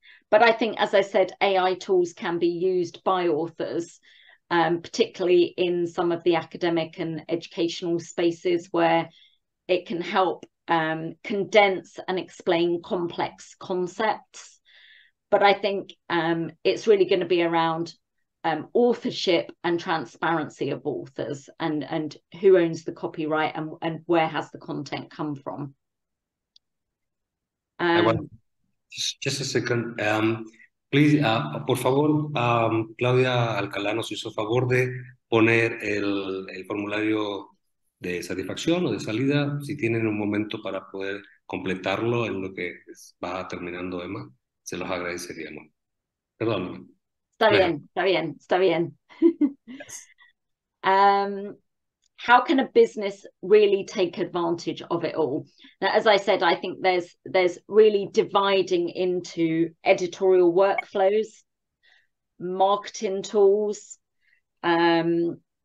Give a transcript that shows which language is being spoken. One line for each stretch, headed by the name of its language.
English: But I think, as I said, AI tools can be used by authors, particularly in some of the academic and educational spaces where it can help condense and explain complex concepts. But I think it's really going to be around authorship and transparency of authors and who owns the copyright and where has the content come from. Just a second.
Spanish: Please, por favor, Claudia Alcalá nos hizo favor de poner el formulario de satisfacción o de salida, si tienen un momento para poder completarlo en lo que va terminando Emma, se los agradeceríamos. Perdón. Está bien.
English: How can a business really take advantage of it all? Now, as I said, I think there's really dividing into editorial workflows, marketing tools, and